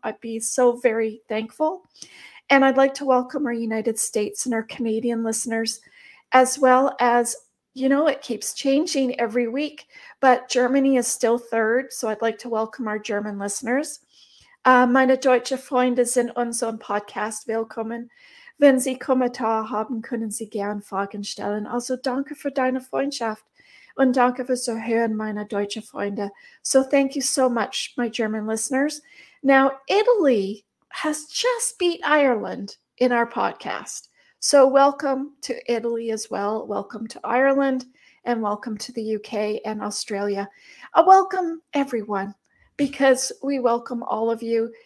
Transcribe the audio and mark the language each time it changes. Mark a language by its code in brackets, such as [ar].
[en] I'd be so very thankful. And I'd like to welcome our United States and our Canadian listeners, as well as, you know, it keeps changing every week, but Germany is still third. So I'd like to welcome our German listeners. [de] Meine deutsche Freunde sind unseren Podcast willkommen. Wenn Sie Kommentare haben, können Sie gern Fragen stellen. Also danke für deine Freundschaft und danke für zu hören, meine deutsche Freunde. [en] So thank you so much, my German listeners. Now, Italy has just beat Ireland in our podcast. So welcome to Italy as well. Welcome to Ireland and welcome to the UK and Australia. I welcome everyone because we welcome all of you.